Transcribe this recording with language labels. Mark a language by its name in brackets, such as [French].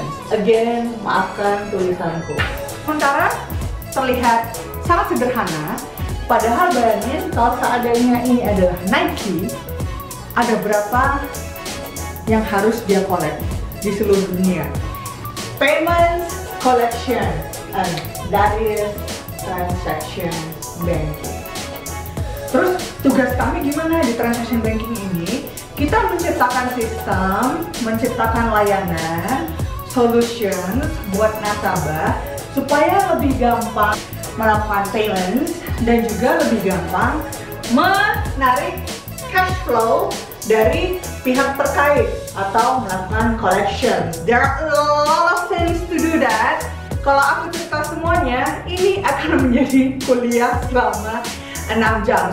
[English] Again, [Indonesian] maafkan tulisanku. Sementara terlihat sangat sederhana, padahal bayangin kalau seadanya ini adalah Nike, ada berapa yang harus dia collect di seluruh dunia. [English] Payments collection and that is transaction banking. [Indonesian] Terus tugas kami gimana di transaction banking ini? Kita menciptakan sistem, menciptakan layanan, solution buat nasabah supaya lebih gampang melakukan payments dan juga lebih gampang menarik cash flow dari pihak terkait atau melakukan collection. [English] There are a lot of things to do that. [Indonesian] Kalau aku cerita semuanya, ini akan menjadi kuliah selama 6 jam.